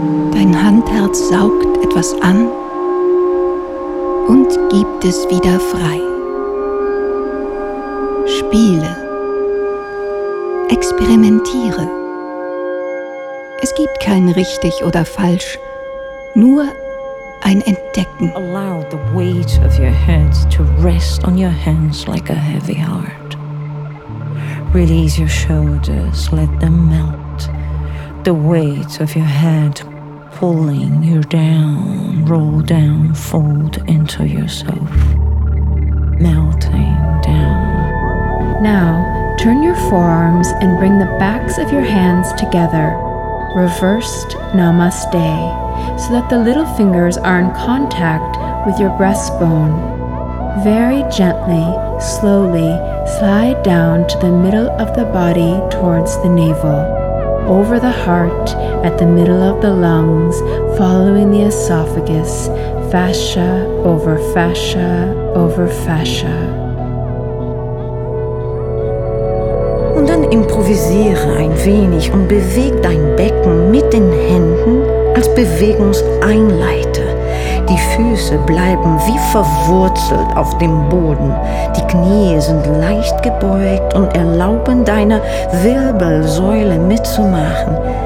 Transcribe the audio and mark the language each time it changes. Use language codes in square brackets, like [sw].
[de] Dein Handherz saugt etwas an und gibt es wieder frei. Spiele. Experimentiere. Es gibt kein richtig oder falsch, nur ein Entdecken. [en] Allow the weight of your head to rest on your hands like a heavy heart. Release your shoulders, let them melt. The weight of your head pulling you down, roll down, fold into yourself. Melting down. Now, turn your forearms and bring the backs of your hands together. Reversed Namaste, so that the little fingers are in contact with your breastbone. Very gently, slowly, slide down to the middle of the body towards the navel, over the heart, at the middle of the lungs, following the esophagus, fascia over fascia over fascia. [de] Und dann improvisiere ein wenig und beweg dein Becken mit den Händen als Bewegungseinleiter. Die Füße bleiben wie verwurzelt auf dem Boden. Die Knie sind leicht gebeugt und erlauben deiner Wirbelsäule mitzumachen.